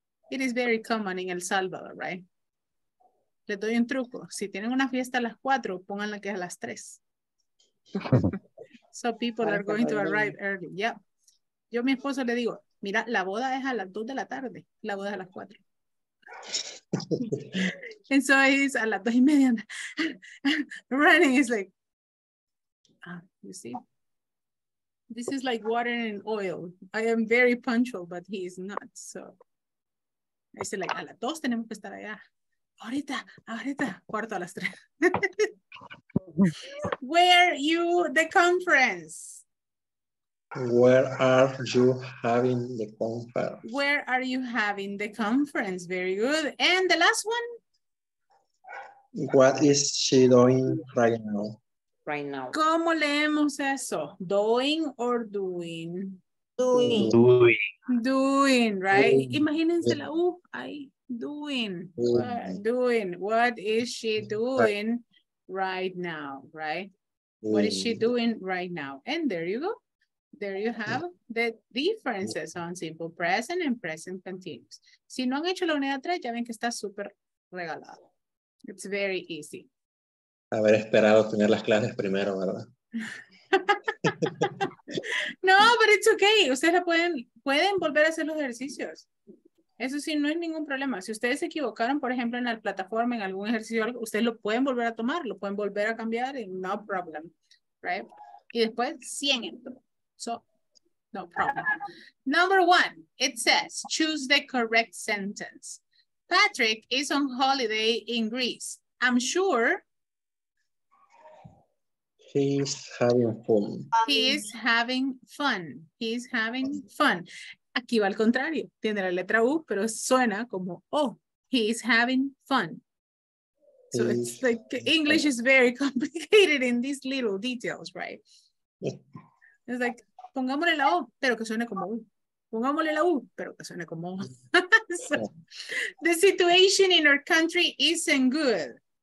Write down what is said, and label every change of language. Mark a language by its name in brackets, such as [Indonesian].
[English] It is very common in El Salvador, right? [Spanish] Les doy un truco. Si tienen una fiesta a las 4, pónganla que es a las 3. [English] So people are going to arrive early. Yeah. [Spanish] Yo a mi esposo le digo, mira, la boda es a las 2 de la tarde, la boda es a las 4. [English] And so it's [Spanish] a las 2 y media. [English] Running is like, you see, this is like water and oil. I am very punctual, but he is not. So I said, like, [Spanish] a las 2 tenemos que estar allá. Ahorita, ahorita, cuarto a las 3. [English] Where you the conference? Where are you having the conference? Where are you having the conference? Very good. And the last one? What is she doing right now? Right now. [Spanish] ¿Cómo leemos eso? [English] Doing or doing? Doing. Doing. Doing, right? Doing. [Spanish] Imagínense la U. Ay, [English] doing. Doing. What is she doing right now, right? Doing. What is she doing right now? And there you go. There you have the differences on simple present and present continuous. [Spanish] Si no han hecho la unidad 3, ya ven que está súper regalado. [English] It's very easy. [Spanish] Haber esperado tener las clases primero, ¿verdad? [English] No, but it's okay. [Spanish] Ustedes la pueden volver a hacer los ejercicios. Eso sí, no es ningún problema. Si ustedes se equivocaron, por ejemplo, en la plataforma, en algún ejercicio, ustedes lo pueden volver a tomar, lo pueden volver a cambiar, y [English] no problem, right? [Spanish] Y después, 100 en todo. [English] So, no problem. Number one, it says, choose the correct sentence. Patrick is on holiday in Greece. I'm sure. He's having fun. He's having fun. He's having fun. [Spanish] Aquí va al contrario. Tiene la letra U, pero suena como O. [English] He's having fun. So it's like English is very complicated in these little details, right? It's like, [Spanish] pongámosle la U, pero que suene como U. Pongámosle la U, pero que suene como U. [English] So, the situation in our country isn't good.